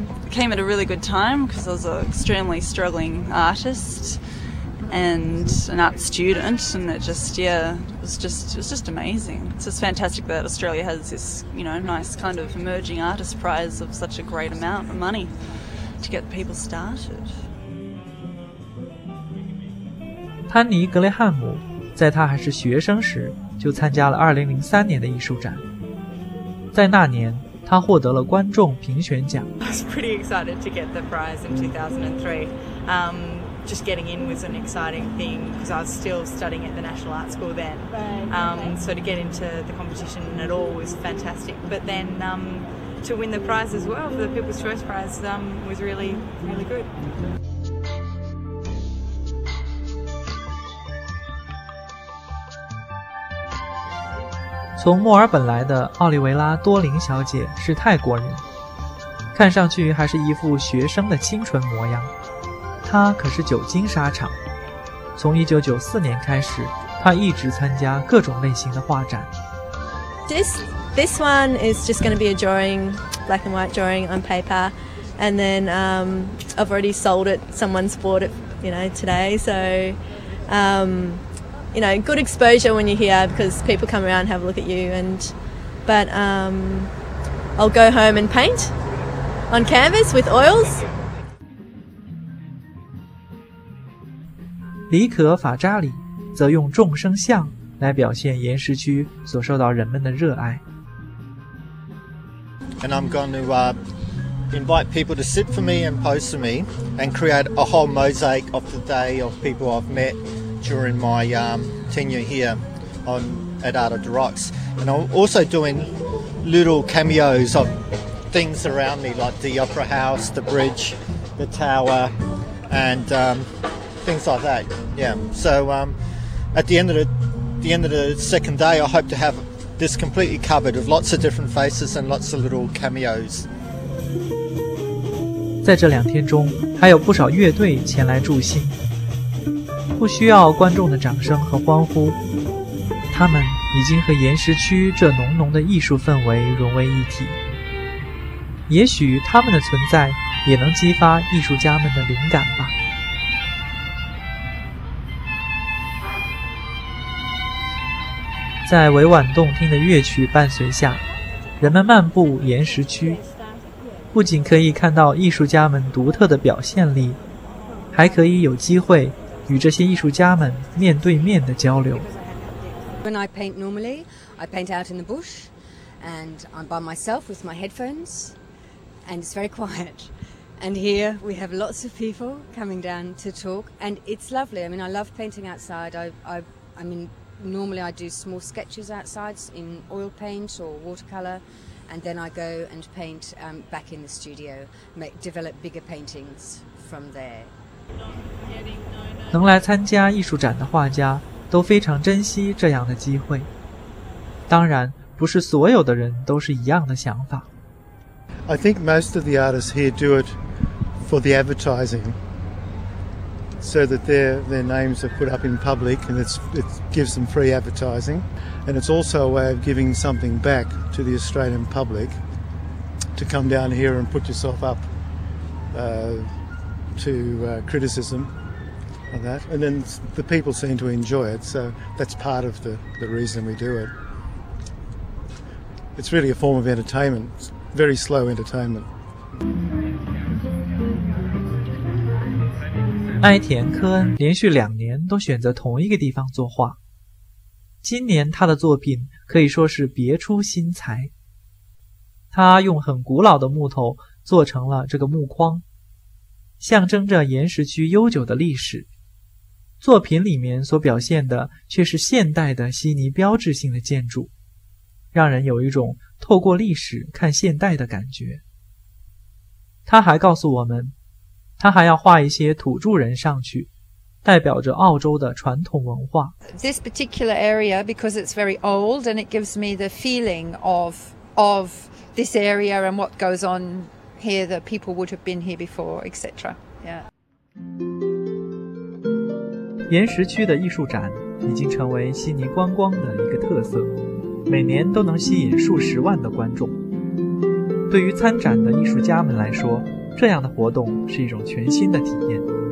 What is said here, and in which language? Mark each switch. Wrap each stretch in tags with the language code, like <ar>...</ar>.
<en>Came at a really good time because I was an extremely struggling artist and an art student, and it just, yeah, it was just amazing. It's just fantastic that Australia has this, you know, nice kind of emerging artist prize of such a great amount of money to get people started.</en> <zh>潘尼·格雷汉姆在他还是学生时就参加了2003年的艺术展，在那年他获得了观众评选奖。</zh> <en>I was pretty excited to get the prize in 2003. Just getting in was an exciting thing because I was still studying at the National Art School then. So to get into the competition at all was fantastic. But then to win the prize as well for the People's Choice Prize was really, really good.</en> <zh>从墨尔本来的奥利维拉·多林小姐是泰国人，看上去还是一副学生的清纯模样。她可是久经沙场，从1994年开始，她一直参加各种类型的画展。</zh> <en>This one is just going to be a drawing, black and white drawing on paper, and then I've already sold it. Someone's bought it, you know, today. So, you know, good exposure when you're here because people come around and have a look at you. But I'll go home and paint on canvas with oils.</en> <zh>李可·法扎里则用众生相来表现岩石区所受到人们的热爱。</zh> <en>And I'm going to invite people to sit for me and pose for me and create a whole mosaic of the day of people I've met during my tenure here on at Art of the Rocks. And I'm also doing little cameos of things around me, like the Opera House, the bridge, the tower, and things like that. Yeah. So at the end of the second day, I hope to have this completely covered with lots of different faces and lots of little cameos.</en> <zh>在这两天中，还有不少乐队前来助兴。不需要观众的掌声和欢呼，他们已经和岩石区这浓浓的艺术氛围融为一体。也许他们的存在也能激发艺术家们的灵感吧。在委婉动听的乐曲伴随下，人们漫步岩石区，不仅可以看到艺术家们独特的表现力，还可以有机会与这些艺术家们面对面的交流。</zh> <en>When I paint normally, I paint out in the bush, and I'm by myself with my headphones, and it's very quiet. And here we have lots of people coming down to talk, and it's lovely. I mean, I love painting outside. I mean, normally I do small sketches outside in oil paint or watercolor, and then I go and paint back in the studio, develop bigger paintings from there.</en> <zh>能来参加艺术展的画家都非常珍惜这样的机会。当然，不是所有的人都是一样的想法。</zh> <en>I think most of the artists here do it for the advertising, so that their names are put up in public and it gives them free advertising, and it's also a way of giving something back to the Australian public to come down here and put yourself up to criticism. And that, and then the people seem to enjoy it, so that's part of the reason we do it. It's really a form of entertainment, very slow entertainment.</en> <zh>埃田·科恩连续两年都选择同一个地方作画。今年他的作品可以说是别出心裁。他用很古老的木头做成了这个木框，象征着岩石区悠久的历史。作品里面所表现的却是现代的悉尼标志性的建筑，让人有一种透过历史看现代的感觉。他还告诉我们，他还要画一些土著人上去，代表着澳洲的传统文化。</zh> <en>This particular area, because it's very old and it gives me the feeling of this area and what goes on here, that people would have been here before, etc. Yeah.</en> <zh>岩石区的艺术展已经成为悉尼观光的一个特色，每年都能吸引数十万的观众。对于参展的艺术家们来说，这样的活动是一种全新的体验。</zh>